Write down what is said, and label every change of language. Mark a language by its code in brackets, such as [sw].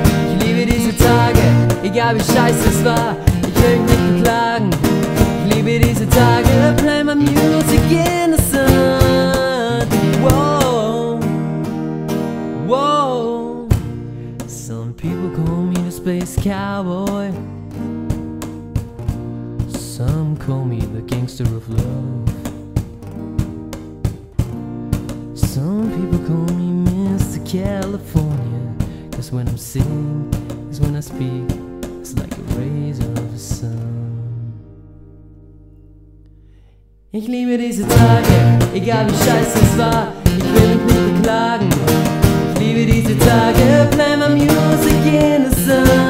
[de] Ich liebe diese Tage, egal wie scheiße es war. Ich will mich nicht beklagen. Ich liebe diese Tage, [en] play my music in the sun. Whoa, whoa. Some people call me the space cowboy. Some call me the gangster of love. Some people call me California, 'cause when I'm singing, is when I speak, it's like a razor of the sun. [de] Ich liebe diese Tage, egal wie scheiße es war, ich will mich nicht beklagen. Ich liebe diese Tage, [en] play my music in the sun.